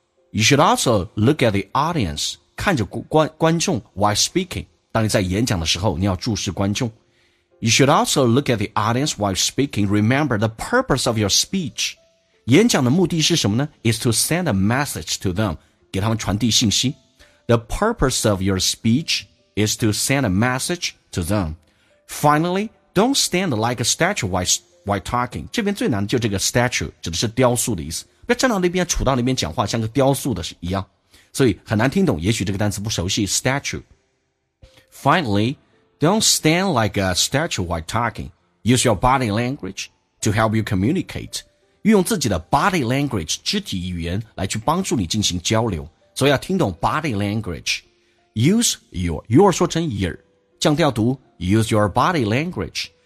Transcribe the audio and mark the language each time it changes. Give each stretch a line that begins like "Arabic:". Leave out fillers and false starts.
English: You should also look at the audience，
Chinese: 看着观众
English: while speaking。
Chinese: 当你在演讲的时候，你要注视观众。
English: You should also look at the audience while speaking. Remember the purpose of your speech.
Chinese: 演讲的目的是什么呢
English: ？Is to send a message to them.
Chinese: 给他们传递信息。
English: The purpose of your speech is to send a message to them. Finally, don't stand like a statue while while talking.
Chinese: 这边最难的就这个 statue, 指的是雕塑的意思。不要站到那边，杵到那边讲话，像个雕塑的一样。所以很难听懂，也许这个单词不熟悉 statue.
English: Finally, don't stand like a statue while talking. Use your body language to help you communicate.
Chinese: 运用自己的 body language, 肢体语言来去帮助你进行交流。所以要听懂 body language.
English: Use your
Chinese: 说成 your, 降调读
English: use your body language.